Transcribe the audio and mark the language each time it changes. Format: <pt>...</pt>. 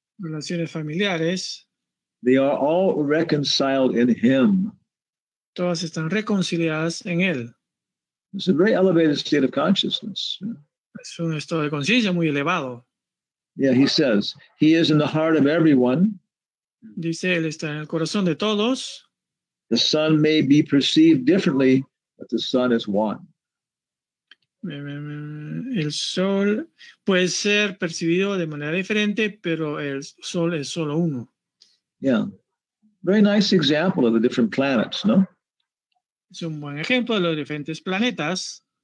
<es>Relaciones familiares.</es> <en>They are all reconciled in him.</en> <es>Todas están reconciliadas en él.</es> <en>It's a very elevated state of consciousness.</en> <es>Es un estado de conciencia muy elevado.</es> <en>Yeah, he says, he is in the heart of everyone.</en> <es>Dice, él está en el corazón de todos.</es> <en>The son may be perceived differently, but the son is one.</en> <es>El sol puede ser percibido de manera diferente, pero el sol es solo uno.</es> <en>Yeah. Very nice example of the different planets, no?</en> <es>Es un buen ejemplo de los diferentes planetas.</es>